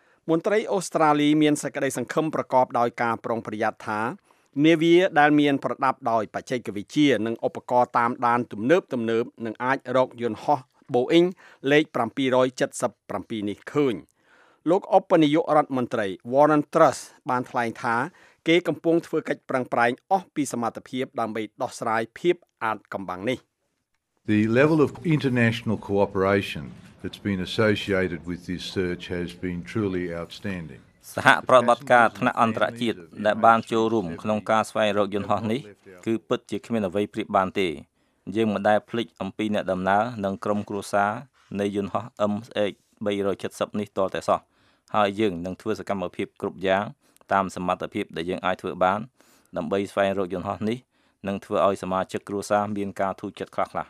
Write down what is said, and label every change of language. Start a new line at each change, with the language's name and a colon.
Khmer: មន្ត្រីអូស្ត្រាលីមានសេចក្តីសង្ឃឹមប្រកបដោយការប្រុងប្រយ័ត្នថានាវាដែលមានប្រដាប់ដោយបច្ចេកវិទ្យានិងឧបករណ៍តាមដានទំនើបទំនើបនឹងអាចរកយន្តហោះ Boeing លេខ777នេះឃើញលោកឧបនាយករដ្ឋមន្ត្រី Warren Truss បានថ្លែងថាគេកំពុងធ្វើកិច្ចប្រឹងប្រែងអស់ពីសមត្ថភាពដើម្បីដោះស្រាយភាពអាថ៌កំបាំងនេះ
English: The level of international cooperation that's been associated with this search has been truly outstanding.
Khmer: សហប្រតិបត្តិការថ្នាក់អន្តរជាតិដែលបានចូលរួមក្នុងការស្វែងរកយន្តហោះនេះគឺពិតជាគ្មានអ្វីប្រៀបបានទេយើងមិនដែលភ្លេចអំពីអ្នកដំណើរនិងក្រុមគ្រួសារនៃយន្តហោះ MH370 នេះទាល់តែសោះហើយយើងនឹងធ្វើសកម្មភាពគ្រប់យ៉ាងតាមសមត្ថភាពដែលយើងអាចធ្វើបានដើម្បីស្វែងរកយន្តហោះនេះនិងធ្វើឲ្យសមាជិកគ្រួសារមានការធូរចិត្តខ្លះ